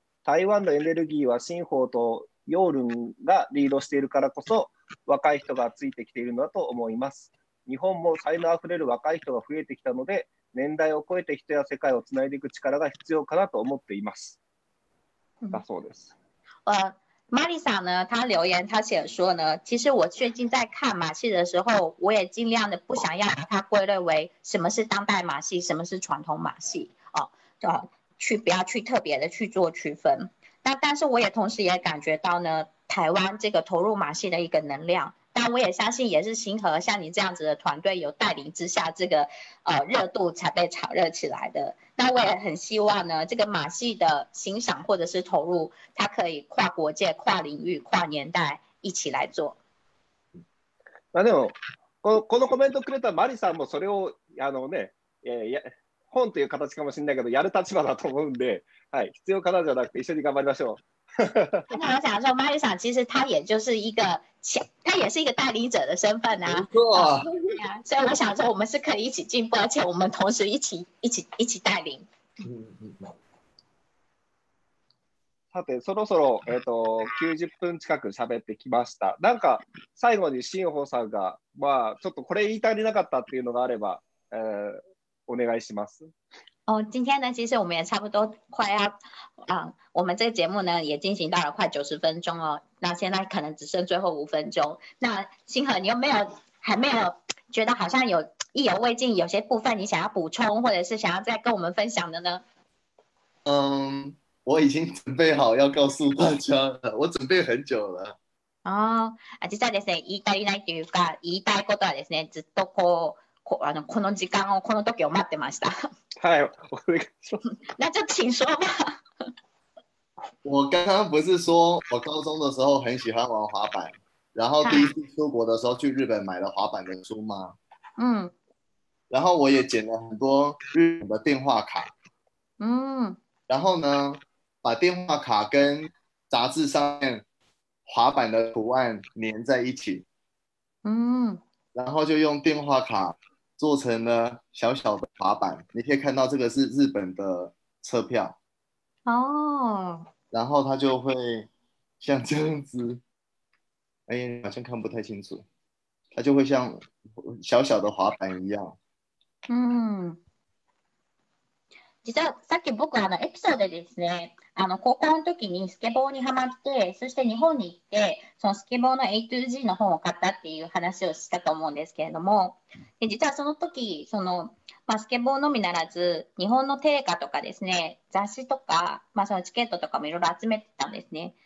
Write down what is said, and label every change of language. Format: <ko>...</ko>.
<ja>台湾のエネルギーは新法とヨールンがリードしているからこそ、若い人がついてきているのだと思います。日本も才能あふれる若い人が増えてきたので、年代を超えて人や世界をつないでいく力が必要かなと思っています。だそうです。</ja> <zh>マリさん呢、他留言、他写说呢、其实我最近在看马戏的时候、我也尽量的不想要他归类为什么是当代马戏、什么是传统马戏、不要去特别的去做区分。但是我也同时也感觉到呢、台湾这个投入马戏的一个能量。但我也相信，也是星河像你这样子的团队有带领之下，这个热度才被炒热起来的。那我也很希望呢，这个马戏的欣赏或者是投入，它可以跨国界、跨领域、跨年代一起来做。</zh> <ja>まあでもこのコメントくれたマリさんもそれをあのね、本という形かもしれないけどやる立場だと思うんで、はい、必要かなじゃなくて一緒に頑張りましょう。</ja> <zh>那我想说，マリさん其实他也就是一个。他也是一个代理者的身份啊，没错啊，所以我想说我们是可以一起进步，而且我们同时一起带领。</zh> <ja>さて、そろそろ90分近く喋ってきました。なんか最後に新保さんがまあちょっとこれ言い足りなかったっていうのがあれば、お願いします。</ja> <zh>哦，今天呢，其实我们也差不多快要，我们这个节目呢也进行到了快90分钟哦，那现在可能只剩最后5分钟。那星河，你有没有还没有觉得好像有意犹未尽，有些部分你想要补充，或者是想要再跟我们分享的呢？嗯，我已经准备好要告诉大家了，我准备很久了。</zh> <ja>哦，実はですね、言いたいないというか、言いたいことはですね、ずっとこう。この時間をこの時を待ってました。はい、お願いします。</ja> <zh>那就请说吧。我刚刚不是说我高中的时候很喜欢玩滑板，然后第一次出国的时候去日本买了滑板的书吗？嗯。然后我也捡了很多日本的电话卡。嗯。然后呢，把电话卡跟杂志上面滑板的图案粘在一起。嗯。然后就用电话卡做成了小小的滑板，你可以看到这个是日本的车票哦。然后它就会像这样子，哎，好像看不太清楚，它就会像小小的滑板一样。</zh> <ja>嗯，実はさっき僕あのエピソードですね、高校の時にスケボーにハマって、そして日本に行って、そのスケボーの A to G の本を買ったっていう話をしたと思うんですけれども、で実はその時、スケボーのみならず、日本の定価とかですね、雑誌とか、そのチケットとかもいろいろ集めてたんですね。</ja>